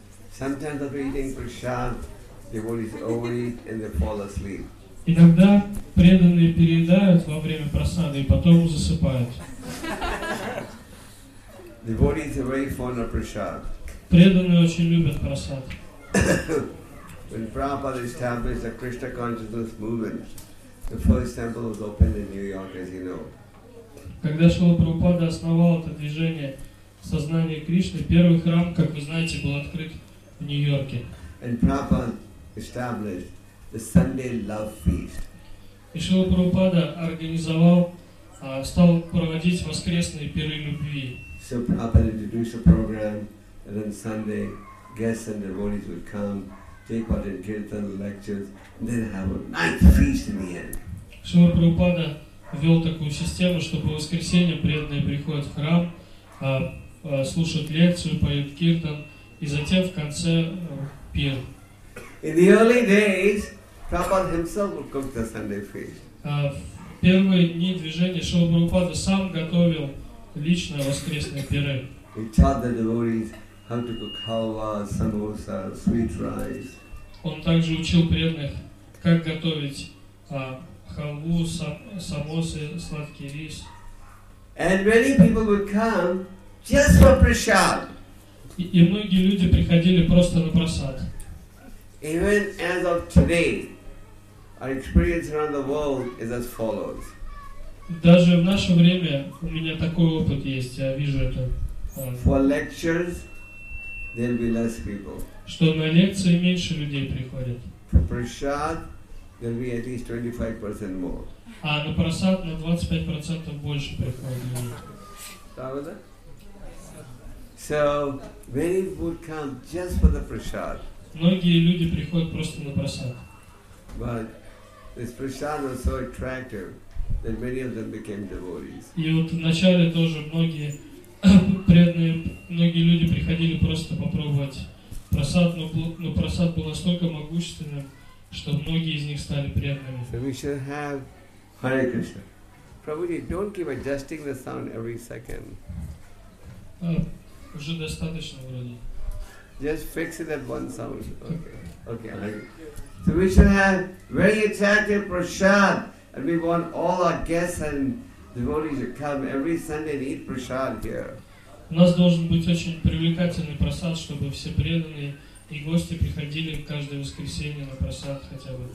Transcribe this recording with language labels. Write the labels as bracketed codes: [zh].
[en] Sometimes after eating prasad, devotees overeat and they fall asleep. [ru] И тогда преданные переедают во время просады и потом засыпают. [en] Devotees are very fond of prasad. [ru] Преданные очень любят просад. [en] When Prabhupada established the Krishna consciousness movement, the first temple was opened in New York, as you know. [ru] Когда Шрила Прабхупада основал это движение сознания Кришны, первый храм, как вы знаете, был открыт в Нью-Йорке. [en] And Prabhupada established the Sunday Love Feast. [ru] И Шрила Прабхупада организовал, стал проводить воскресные пиры любви. [en] So Prabhupada introduced the program, and then Sunday guests and devotees would come, take part in kirtan lectures, and then have a night feast in the end. [ru] Шрила Прабхупада ввел такую систему, что по воскресеньям преданные приходят в храм, слушают лекцию, поют киртан, и затем в конце пир. [en] In the early days, Prabhupada himself would cook the Sunday feast. [ru] В первые дни движения Шрила Прабхупада сам готовил лично воскресные пиры. [en] He taught the devotees how to cook halwa, samosa, sweet rice. [ru] Он также учил преданных, как готовить халву, самосы, сладкий рис. [en] And many people would come just for prasad. [ru] И многие люди приходили просто на прасад. [en] Even as of today, our experience around the world is as follows. [ru] Даже в наше время у меня такой опыт есть, я вижу это. [en] For lectures, there'll be less people. [ru] Что на лекции меньше людей приходит. [en] For prasad, there'll be at least 25% more. [ru] А на просад на 25% больше приходит. [en] How is that? So many would come just for the prasad. [ru] Многие люди приходят просто на просад. [en] But this prasad was so attractive that many of them became devotees. [ru] И вот вначале тоже многие преданные, многие люди приходили просто попробовать просад, но просад был настолько могущественным, что многие из них стали преданными. [en] So we should have Hare Krishna. Prabhuji, don't keep adjusting the sound every second. [ru] Уже достаточно вроде. [en] Just fix it at one sound. Okay. Okay. So we should have very attractive prasad, and we want all our guests and devotees to come every Sunday and eat prasad here. [ru] У нас должен быть очень привлекательный просад, чтобы все преданные и гости приходили каждое воскресенье на просад хотя бы.